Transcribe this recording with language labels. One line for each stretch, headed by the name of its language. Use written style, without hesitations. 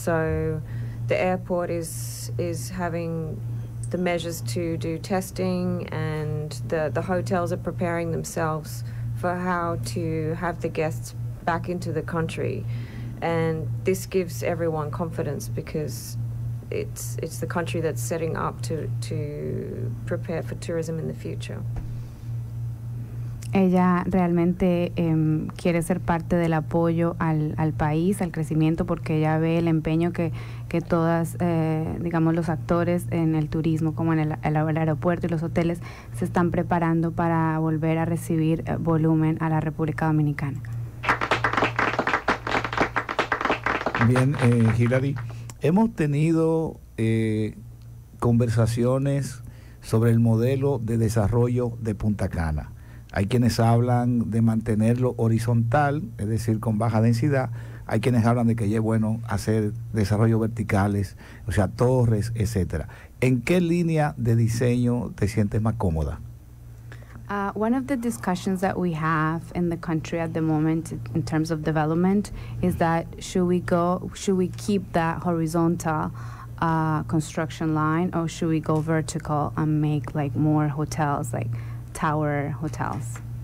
English: So the airport is having the measures to do testing, and the hotels are preparing themselves for how to have the guests back into the country. And this gives everyone confidence because it's the country that's setting up to prepare for tourism in the future.
Spanish: Ella realmente quiere ser parte del apoyo al país, al crecimiento, porque ella ve el empeño que todas, digamos, los actores en el turismo, como en el aeropuerto y los hoteles, se están preparando para volver a recibir volumen a la República Dominicana. Bien, Hillary, hemos tenido conversaciones sobre el modelo de desarrollo de Punta Cana. Hay quienes hablan de mantenerlo horizontal, es decir, con baja densidad. Hay quienes hablan de que ya es bueno hacer desarrollos verticales, o sea, torres, etcétera. ¿En qué línea de diseño te sientes más cómoda?
English: One of the discussions that we have in the country at the moment in terms of development is that should we keep that horizontal construction line, or should we go vertical and make like more hotels, like tower hotels?